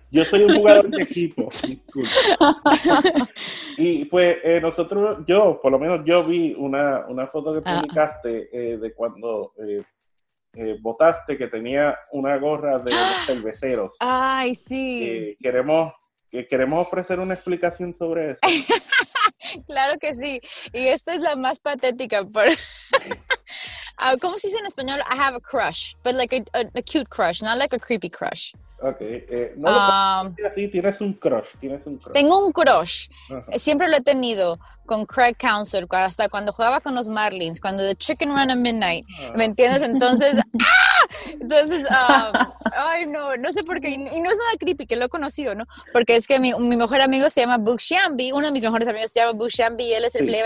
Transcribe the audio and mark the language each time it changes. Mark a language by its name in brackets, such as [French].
[Spanish] Yo soy un jugador de equipo, disculpa. Y pues nosotros, yo, por lo menos yo vi una foto que publicaste de cuando votaste que tenía una gorra de cerveceros. Ay, sí. Queremos ofrecer una explicación sobre eso. Claro que sí. Y esta es la más patética. ¿Cómo se dice en español? [English] I have a crush, but like a cute crush, not like a creepy crush. [Spanish] Okay. No lo puedes decir así. Tienes un crush. Tengo un crush. Uh-huh. Siempre lo he tenido con Craig Council, hasta cuando jugaba con los Marlins, cuando The Chicken Run at Midnight. Uh-huh. ¿Me entiendes? Entonces. Entonces, ay, no sé por qué, y no es nada creepy, que lo he conocido, ¿no? Porque es que mi mejor amigo se llama Book Shambi, uno de mis mejores amigos se llama Book Shambi, y él es el sí.